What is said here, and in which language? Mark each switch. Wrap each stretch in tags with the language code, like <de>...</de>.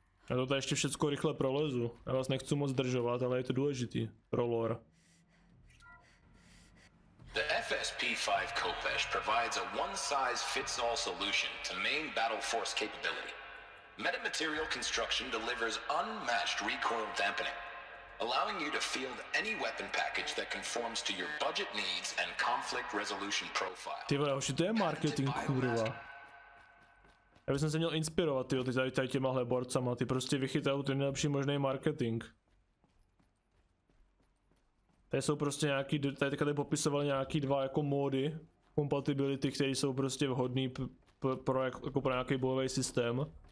<cs>Já to tady ještě všecko rychle prolezu. Já vás nechci moc zdržovat, ale je to důležitý. Pro lore.</cs> <en>The FSP 5 Kopesh provides a one-size-fits-all solution to main battle force capability. Metamaterial construction delivers unmatched recoil dampening, allowing you to field any weapon package that conforms to your budget needs and conflict resolution profile.</en> <cs>Ty vole, to je marketing, kurva. Já bych se měl inspirovat, tyjo, tady těmahle borcama, ty prostě vychytají ten nejlepší možný marketing. Tady jsou prostě nějaký, tady takhle popisovali nějaký dva jako módy compatibility, které jsou prostě vhodný pro, jako pro nějaký bojový systém.</cs>